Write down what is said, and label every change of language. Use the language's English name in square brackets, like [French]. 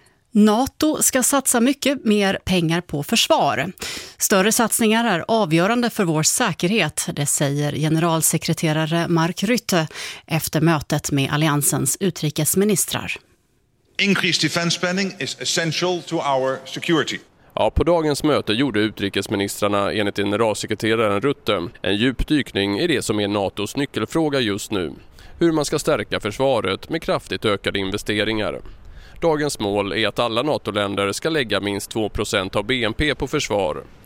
[Swedish] NATO ska satsa mycket mer pengar på försvar. Större satsningar är avgörande för vår säkerhet, det säger generalsekreterare Mark Rutte efter mötet med alliansens utrikesministrar. [English] Increased defense spending is essential to our security. [Swedish] Ja, på dagens möte gjorde utrikesministrarna enligt generalsekreteraren Rutte en djupdykning i det som är NATOs nyckelfråga just nu. Hur man ska stärka försvaret med kraftigt ökade investeringar. Dagens mål är att alla NATO-länder ska lägga minst 2% av BNP på försvar.